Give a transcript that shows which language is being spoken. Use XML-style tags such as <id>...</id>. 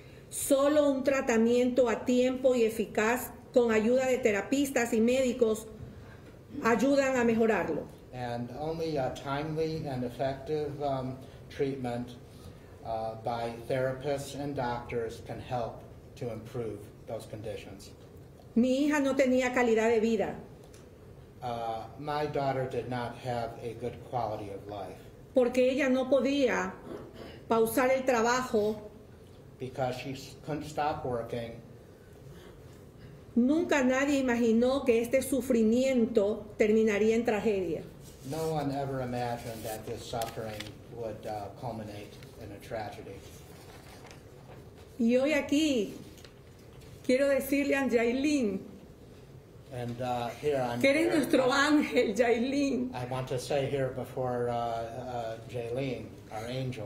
<es>Solo un tratamiento a tiempo y eficaz con ayuda de terapistas y médicos ayudan a mejorarlo.</es> <en>And only a timely and effective treatment by therapists and doctors can help to improve those conditions.</en> <es>Mi hija no tenía calidad de vida.</es> <en>My daughter did not have a good quality of life.</en> <es>Porque ella no podía pausar el trabajo.</es> <en>Because she couldn't stop working.</en> <es>Nunca nadie imaginó que este sufrimiento terminaría en tragedia.</es> <en>No one ever imagined that this suffering would culminate in a tragedy.</en> <es>Y hoy aquí quiero decirle a Jailin.</es> <en>And here I'm.</en> <es>Que eres nuestro ángel, Jailin.</es> <en>I want to say here before Jailin, our angel.</en>